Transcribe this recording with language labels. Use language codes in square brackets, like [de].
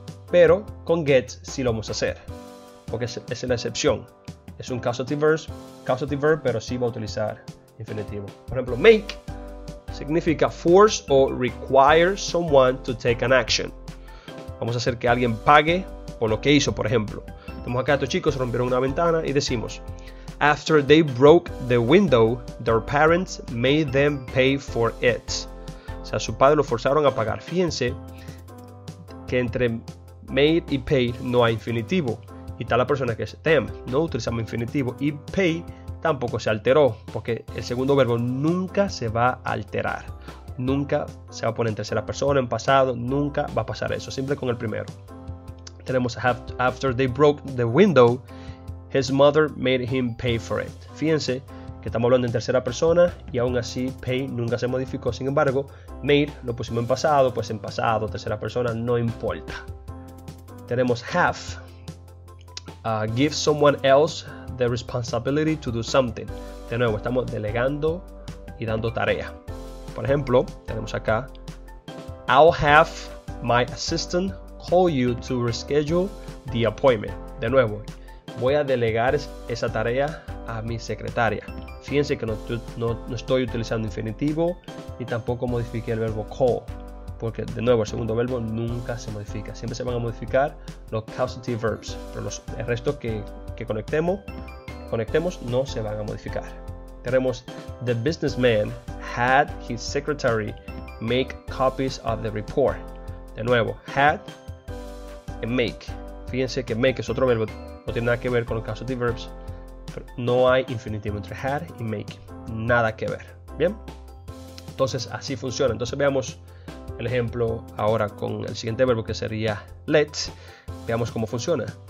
[es] Pero con get sí lo vamos a hacer. Porque es la excepción. Es un causative verb, pero sí va a utilizar infinitivo. Por ejemplo, make significa [en] force or require someone to take an action. [es] Vamos a hacer que alguien pague por lo que hizo, por ejemplo. Tenemos acá a estos chicos, rompieron una ventana y decimos: [en] After they broke the window, their parents made them pay for it. [es] O sea, su padre lo forzaron a pagar. Fíjense que entre made y paid no hay infinitivo. Y está la persona que es them. No utilizamos infinitivo. Y pay tampoco se alteró. Porque el segundo verbo nunca se va a alterar. Nunca se va a poner en tercera persona, en pasado. Nunca va a pasar eso. Simple con el primero. Tenemos [en] after they broke the window, his mother made him pay for it. [es] Fíjense que estamos hablando en tercera persona y aún así pay nunca se modificó. Sin embargo, made lo pusimos en pasado, pues en pasado, tercera persona, no importa. Tenemos have. [en] Give someone else the responsibility to do something. [es] De nuevo, estamos delegando y dando tarea. Por ejemplo, tenemos acá. [en] I'll have my assistant call you to reschedule the appointment. [es] De nuevo, voy a delegar esa tarea a mi secretaria. Fíjense que no estoy utilizando infinitivo y tampoco modifique el verbo call. Porque, de nuevo, el segundo verbo nunca se modifica. Siempre se van a modificar los causative verbs. Pero el resto que conectemos no se van a modificar. Tenemos, [en] the businessman had his secretary make copies of the report. [es] De nuevo, had and make. Fíjense que make es otro verbo. No tiene nada que ver con el caso de verbs, pero no hay infinitivo entre had y make, nada que ver. Bien, entonces así funciona. Entonces veamos el ejemplo ahora con el siguiente verbo, que sería let. Veamos cómo funciona.